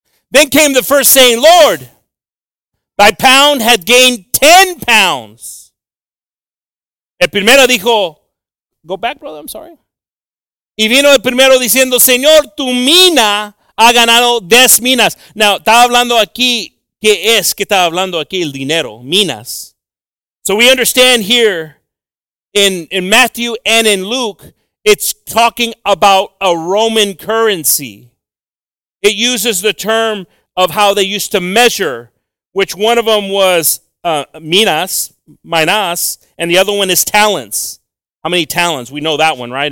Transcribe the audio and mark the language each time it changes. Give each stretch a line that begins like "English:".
English: Verse 16. Then came the first saying, Lord, thy pound had gained 10 pounds.
Spanish: El primero dijo,
English: go back, brother, I'm sorry.
Spanish: Y vino el primero diciendo, Señor, tu mina ha ganado 10 minas. Now, estaba hablando aquí, ¿qué es que estaba hablando aquí? El dinero, minas.
English: So we understand here in Matthew and in Luke, it's talking about a Roman currency. It uses the term of how they used to measure, which one of them was minas, and the other one is talents. How many talents? We know that one, right?